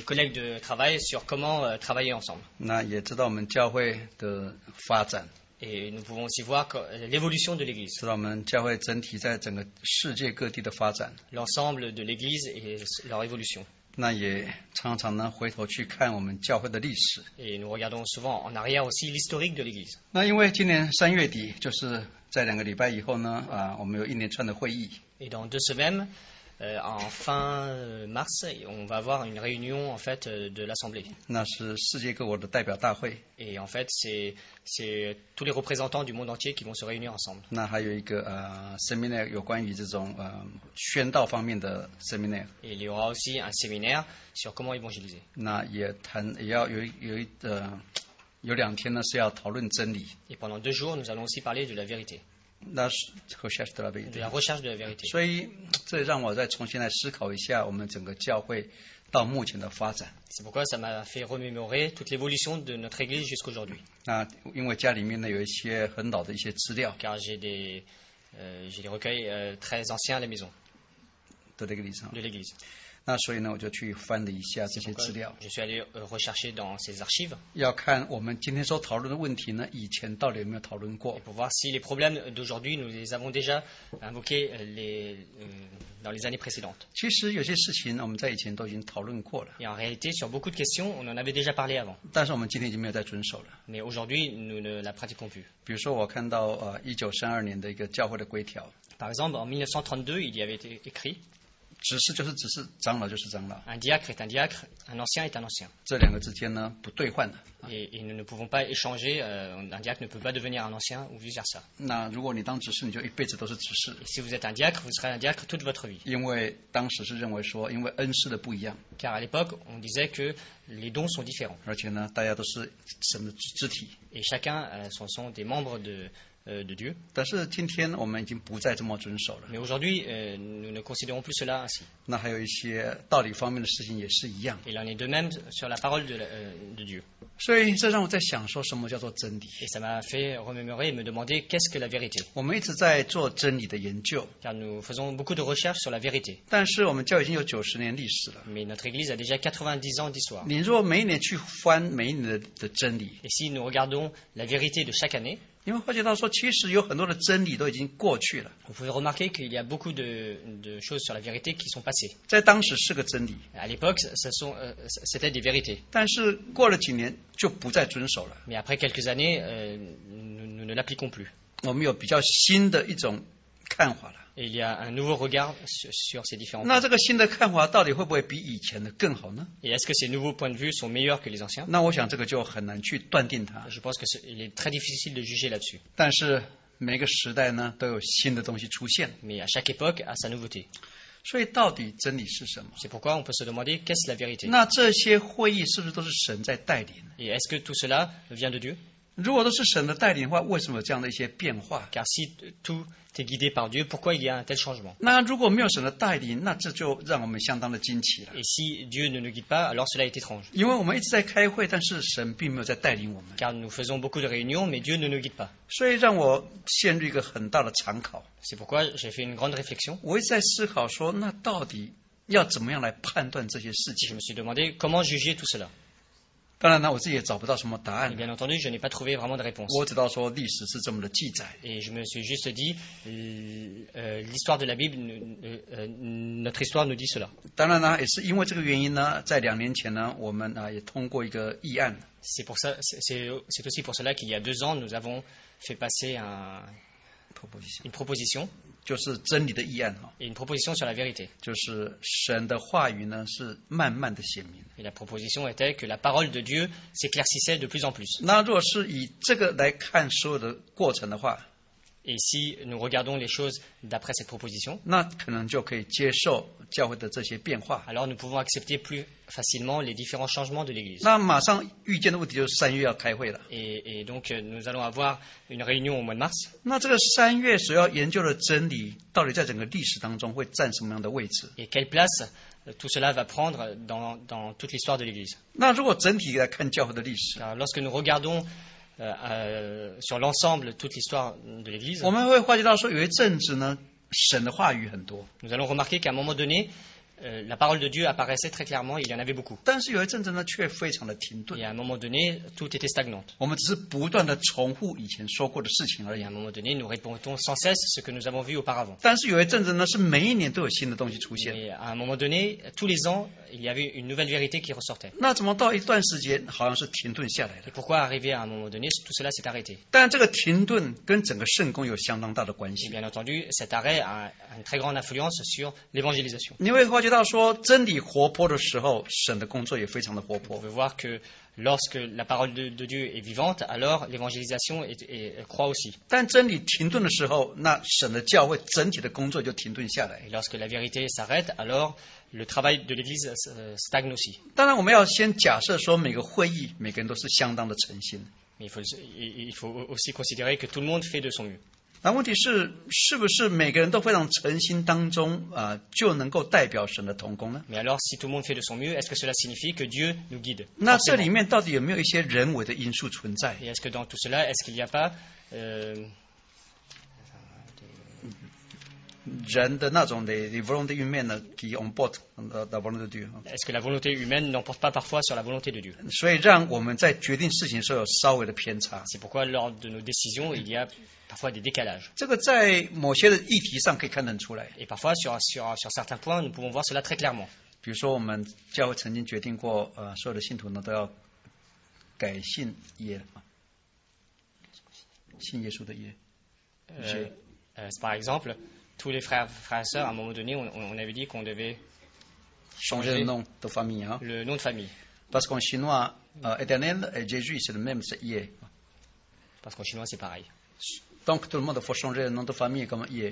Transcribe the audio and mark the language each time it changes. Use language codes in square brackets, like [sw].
[fr] collègues de travail sur comment travailler ensemble. [zh] 那也知道我们教会的发展。 [fr] Et nous pouvons aussi voir l'évolution de l'Église. [zh] 知道我们教会整体在整个世界各地的发展。 [fr] L'ensemble de l'Église et leur évolution. [zh] 那也常常能回头去看我们教会的历史。 [fr] Et nous regardons souvent en arrière aussi l'historique de l'Église. [zh] 那因为今年三月底，就是在两个礼拜以后呢，啊，我们有一连串的会议。 [fr] Et dans deux semaines. En fin mars, on va avoir une réunion en fait, de l'Assemblée. [zh] 那是世界各国的代表大会。 [fr] Et en fait, c'est tous les représentants du monde entier qui vont se réunir ensemble. [zh] 那还有一个séminaire 有关于这种宣道方面的 séminaire. [fr] Et il y aura aussi un séminaire sur comment évangéliser. [zh] 那也谈也要有两天呢是要讨论真理。 [fr] Et pendant deux jours, nous allons aussi parler de la vérité. [zh] 那是 [fr] recherche de la vérité. De la recherche de la vérité. [zh] 所以这让我再重新来思考一下我们整个教会到目前的发展。 [fr] C'est pourquoi ça m'a fait remémorer toute l'évolution de notre église jusqu'aujourd'hui. [zh] 那因为家里面呢有一些很老的一些资料。 [fr] Car j'ai des recueils très anciens à la maison. De l'église. De l'église. [zh] 那所以呢我就去翻了一下这些资料。 [fr] Je suis allé rechercher dans ces archives. [zh] 要看我们今天所讨论的问题呢以前到底有没有讨论过。 [fr] Et pour voir si les problèmes d'aujourd'hui nous les avons déjà invoqués dans les années précédentes. [zh] 其实有些事情我们在以前都已经讨论过了。 [fr] Et en réalité sur beaucoup de questions on en avait déjà parlé avant. [zh] 但是我们今天已经没有再遵守了。 [fr] Mais aujourd'hui nous ne la pratiquons plus. [zh] 比如说我看到1932年的一个教会的规条。 [fr] Par exemple en 1932 il y avait été écrit [zh] 执事就是执事，长老就是长老。 [fr] Un diacre est un diacre, un ancien est un ancien. [zh] 这两个之间呢，不兑换的。 [fr] Et nous ne pouvons pas échanger, un diacre ne peut pas devenir un ancien ou vice versa. [zh] 那如果你当执事，你就一辈子都是执事。 [fr] Et si vous êtes un diacre, vous serez un diacre toute votre vie. [zh] 因为当时是认为说，因为恩赐的不一样。 [fr] Car à l'époque, on disait que les dons sont différents. [zh] 而且呢，大家都是神的肢体。 [fr] Et chacun, sont des membres de. De Dieu. [zh] 但是今天我们已经不再这么遵守了。 [fr] Mais aujourd'hui, nous ne considérons plus cela ainsi. [zh] 那还有一些道理方面的事情也是一样。 [fr] Il en est de même sur la parole de Dieu. [zh] 所以这让我在想说什么叫做真理。 [fr] Et ça m'a fait remémorer et me demander qu'est-ce que la vérité. [zh] 我们一直在做真理的研究。 [fr] Car nous faisons beaucoup de recherches sur la vérité. [zh] 但是我们教已经有90年历史了。 [fr] Mais notre église a déjà 90 ans d'histoire. [zh] 你若每一年去翻每一年 的真理。 [fr] Et si nous regardons la vérité de chaque année, [zh] 你会发觉到说，其实有很多的真理都已经过去了。 [fr] Vous pouvez remarquer qu'il y a beaucoup de choses sur la vérité qui sont passées. [zh] 在当时是个真理。 [fr] À l'époque, c'était des vérités. [zh] 但是过了几年就不再遵守了。 [fr] Mais après quelques années, nous ne l'appliquons plus. [zh] 我们有比较新的一种看法了。 [fr] Et il y a un nouveau regard sur ces différents. [zh] 那这个新的看法到底会不会比以前的更好呢？ [fr] Et est-ce que ces nouveaux points de vue sont meilleurs que les anciens? [zh] 那我想这个就很难去断定它。 [fr] Je pense que il est très difficile de juger là-dessus. [zh] 但是每个时代呢都有新的东西出现。 [fr] Mais à chaque époque a sa nouveauté. [zh] 所以到底真理是什么？ [fr] C'est pourquoi on peut se demander qu'est-ce la vérité? [zh] 那这些会议是不是都是神在带领？ [fr] Et est-ce que tout cela vient de Dieu? [zh] 如果都是神的带领的话，为什么有这样的一些变化？ [fr] Car si tout est guidé par Dieu, pourquoi il y a un tel changement? [zh] 那如果没有神的带领，那这就让我们相当的惊奇了。 [fr] Et si Dieu ne nous guide pas, alors cela est étrange. [zh] 因为我们一直在开会，但是神并没有在带领我们。 [fr] Car nous faisons beaucoup de réunions, mais Dieu ne nous guide pas. [zh] 所以让我陷入一个很大的参考。 [fr] C'est pourquoi j'ai fait une grande réflexion. [zh] 我一直在思考说，那到底要怎么样来判断这些事情？ [fr] Je me suis demandé comment juger tout cela. [zh] 当然呢，我自己也找不到什么答案。 [fr] Bien entendu, je n'ai pas trouvé vraiment de réponse. [zh] 我知道说历史是这么的记载。 [fr] Et je me suis juste dit, l'histoire de la Bible, notre histoire nous dit cela. [zh] 当然呢，也是因为这个原因呢，在两年前呢，我们也通过一个议案。 [fr] C'est aussi pour cela qu'il y a deux ans, nous avons fait passer une proposition. [zh] 就是真理的议案。 [fr] Et une proposition sur la vérité. [zh] 就是神的话语呢，是慢慢的显明。 [fr] Et la proposition était que la parole de Dieu s'éclaircissait de plus en plus. [zh] 那若是以这个来看所有的过程的话， [fr] Et si nous regardons les choses d'après cette proposition, [zh] 那可能就可以接受教会的这些变化。 [fr] Alors nous pouvons accepter plus facilement les différents changements de l'Église. [zh] 那马上预见的问题就是三月要开会了。 [fr] Et donc nous allons avoir une réunion au mois de mars. [zh] 那这个三月所要研究的真理，到底在整个历史当中会占什么样的位置 [fr] ？Et quelle place tout cela va prendre dans toute l'histoire de l'Église？ [zh] 那如果整体来看教会的历史 [fr] ，lorsque nous regardons sur l'ensemble toute l'histoire de l'Église. [zh] 我们会发觉到说，有一阵子呢，神的话语很多。 [fr] Nous allons remarquer qu'à un moment donné, la parole de Dieu apparaissait très clairement. Il y en avait beaucoup. [zh] 但是有一阵子呢，却非常的停顿。 [fr] Et à un moment donné, tout était stagnant. [zh] 我们只是不断的重复以前说过的事情而已。 [fr] Et à un moment donné, nous répétons sans cesse ce que nous avons vu auparavant. [zh] 但是有一阵子呢，是每一年都有新的东西出现。 [fr] Et à un moment donné, tous les ans, il y avait une nouvelle vérité qui ressortait. [zh] 那怎么到一段时间好像是停顿下来了 [fr] ？Et pourquoi arriver à un moment donné, tout cela s'est arrêté? [zh] 但这个停顿跟整个圣工有相当大的关系。 [fr] Et bien entendu, cet arrêt a une très grande influence sur l'évangélisation. [zh] 你会发觉到说真理活泼的时候，神的工作也非常的活泼。 [fr] Vous pouvez voir que lorsque la parole de Dieu est vivante, alors l'évangélisation est croît aussi. [zh] 但真理停顿的时候，那神的教会整体的工作就停顿下来。 [fr] Et lorsque la vérité s'arrête, alors le travail de l'Église stagne aussi. [zh] 当然，我们要先假设说每个会议每个人都是相当的诚心。 [fr] Il faut aussi considérer que tout le monde fait de son mieux. [zh] 那问题是，是不是每个人都非常诚心当中啊，就能够代表神的同工呢 [fr] ？Mais alors, si tout le monde fait de son mieux, est-ce que cela signifie que Dieu nous guide？ [zh] 那这里面到底有没有一些人为的因素存在 [fr] ？Et est-ce que dans tout cela, est-ce qu'il n'y a pas [zh] 人的那种的 [fr] volonté humaine qui emporte la volonté de Dieu？ Est-ce que la volonté humaine n'emporte pas parfois sur la volonté de Dieu？ [zh] 所以让我们在决定事情的时候有稍微的偏差。 [fr] C'est pourquoi lors de nos décisions, il y a parfois des décalages. [zh] 这个在某些的议题上可以看得出来。 [fr] Et parfois sur certains points, nous pouvons voir cela très clairement. [zh] 比如说，我们教会曾经决定过，所有的信徒呢都要改信耶，信耶稣的耶。 [fr] Par exemple, tous les frères et sœurs, à un moment donné, on avait dit qu'on devait changer le nom de famille. Le nom de famille. Parce qu'en chinois, Éternel et Jésus, c'est le même, c'est Yé. Parce qu'en chinois, c'est pareil. Donc tout le monde faut changer le nom de famille comme Yé.